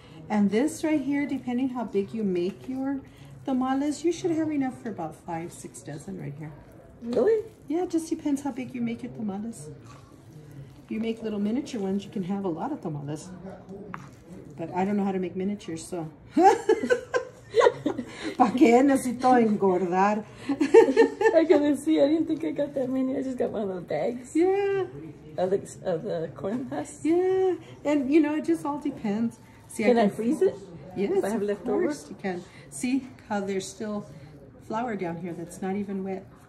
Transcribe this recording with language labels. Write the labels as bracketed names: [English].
[English] And this right here, depending how big you make your tamales, you should have enough for about 5-6 dozen right here. Really? Yeah, it just depends how big you make your tamales. If you make little miniature ones, you can have a lot of tamales. But I don't know how to make miniatures, so. [Spanish] ¿Pa qué necesito engordar? [English] I couldn't see. I didn't think I got that many. I just got one of those bags. Yeah. Of the corn husks. Yeah. And, you know, it just all depends. See, can I freeze it? Yes. If I have leftovers? You can. See how there's still flour down here that's not even wet.